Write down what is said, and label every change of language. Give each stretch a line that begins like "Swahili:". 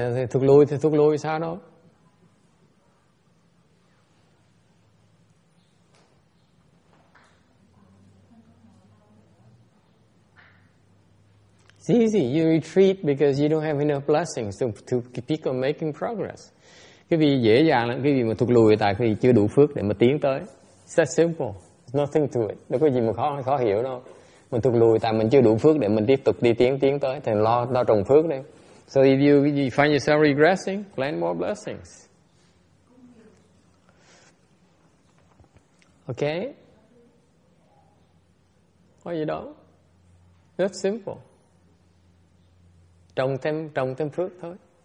Vietnamese: Thụt lùi sao đâu?
English: It's easy. You retreat because you don't have enough blessings to keep on making progress.
Vietnamese: Cái gì dễ dàng lắm. Cái gì mà thụt lùi tại vì chưa đủ phước để mà tiến tới.
English: It's that simple. There's nothing to it.
Vietnamese: Đâu có gì mà khó hiểu đâu. Mình thụt lùi tại mình chưa đủ phước để mình tiếp tục đi tiến tới. Thì lo trồng phước đi.
English: So if you find yourself regressing, plant more blessings. Okay. Why you don't? That's simple.
Vietnamese: Trồng thêm phước thôi.